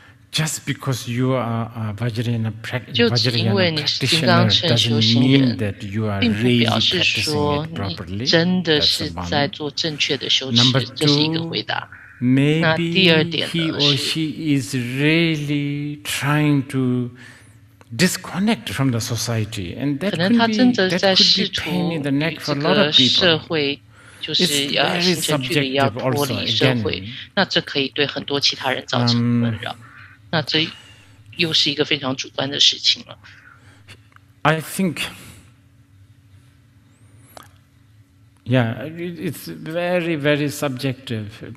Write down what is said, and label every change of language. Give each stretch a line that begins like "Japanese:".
English: Just because you are a Vajrayana practitioner doesn't mean that you are really practicing it properly.
Chinese: 真的是在做正确的修持。
English: Number two, maybe he or she is really trying to disconnect from the society, and that could be pain in the neck for a lot of people. It's very subjective also, again.
Chinese: 那这可以对很多其他人造成困扰，那这又是一个非常主观的事情了。
English: I think. Yeah, it's very, very subjective.